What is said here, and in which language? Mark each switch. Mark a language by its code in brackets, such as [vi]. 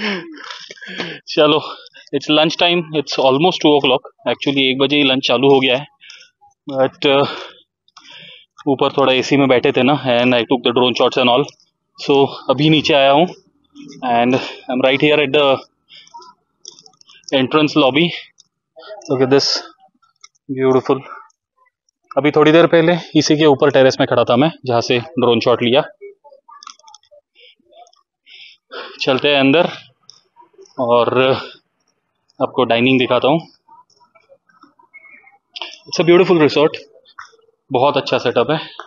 [hi] चलो it's lunch time, it's almost 2 o'clock, actually 1 बजे ही lunch चालू हो गया है, बट ऊपर थोड़ा एसी में बैठे थे ना, and I took the drone shots and all, सो अभी नीचे आया हूँ। [en] And I'm right here at the entrance lobby. Look at this, beautiful. [hi] अभी थोड़ी देर पहले इसी के ऊपर टेरेस में खड़ा था मैं, जहां से ड्रोन शॉट लिया। चलते हैं अंदर और आपको डाइनिंग दिखाता हूँ। इट्स अ ब्यूटिफुल रिसोर्ट, बहुत अच्छा सेटअप है।